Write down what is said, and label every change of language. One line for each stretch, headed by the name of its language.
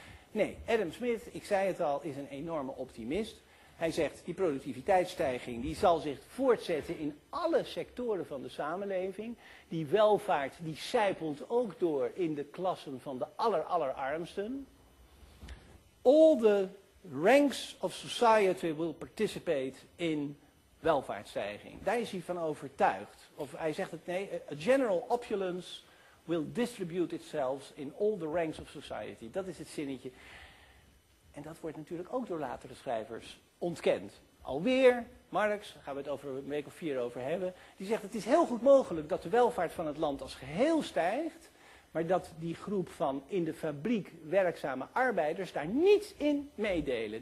Dutch: Nee, Adam Smith, ik zei het al, is een enorme optimist. Hij zegt, die productiviteitsstijging die zal zich voortzetten in alle sectoren van de samenleving. Die welvaart die sijpelt ook door in de klassen van de allerarmsten.
English: All the ranks of society will participate in welvaartsstijging.
Dutch: Daar is hij van overtuigd. Of hij zegt het nee,
English: a general opulence will distribute itself in all the ranks of society.
Dutch: Dat is het zinnetje. En dat wordt natuurlijk ook door latere schrijvers ontkend. Alweer, Marx, daar gaan we het over een week of vier over hebben, die zegt het is heel goed mogelijk dat de welvaart van het land als geheel stijgt, maar dat die groep van in de fabriek werkzame arbeiders daar niets in meedelen.